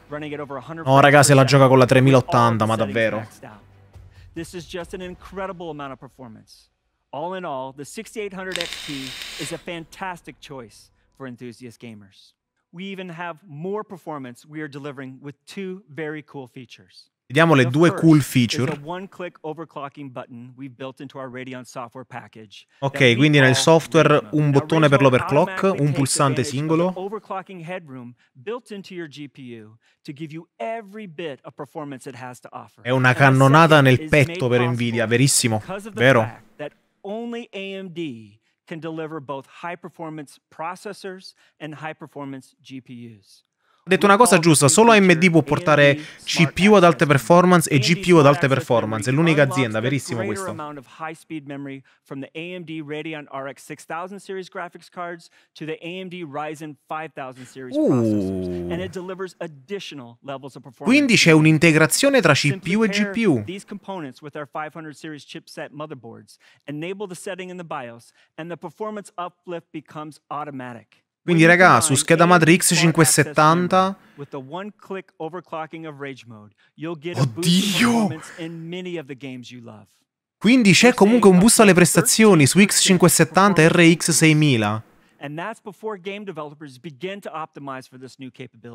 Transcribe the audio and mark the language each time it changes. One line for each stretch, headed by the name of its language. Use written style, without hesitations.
Italian: No, raga, se la gioca con la 3080, ma davvero.
English: This is just an incredible amount of performance. All in all, the 6800 XT is a fantastic choice for enthusiast gamers. We even have more performance we are delivering with two very cool features.
Italian: Vediamo le due cool feature.
English: The one-click overclocking button we've built into our Radeon software package.
Italian: Ok, quindi nel software un bottone per l'overclock, un pulsante singolo.
English: Overclocking headroom built into your GPU to give you every bit of performance it has to offer.
Italian: È una cannonata nel petto per Nvidia, verissimo, vero?
English: That only AMD can deliver both high-performance processors and high-performance GPUs.
Italian: Ha detto una cosa giusta, solo AMD può portare CPU ad alte performance e GPU ad alte performance, è l'unica azienda, verissimo questo.
English: Amount of high speed memory from the AMD Radeon RX 6000 series graphics cards to the AMD Ryzen 5000 series processors and it delivers additional levels of performance.
Italian: Quindi c'è un'integrazione tra CPU e GPU.
English: These components with our 500 series chipset motherboards enable the setting in the BIOS and the performance uplift becomes automatic.
Italian: Quindi raga, su scheda madre X570
English: with the one click overclocking of rage mode, you'll get in many of the games you love.
Italian: Quindi c'è comunque un boost alle prestazioni su X570 e RX 6000.
English: And that's before game developers begin to optimize for this new capability.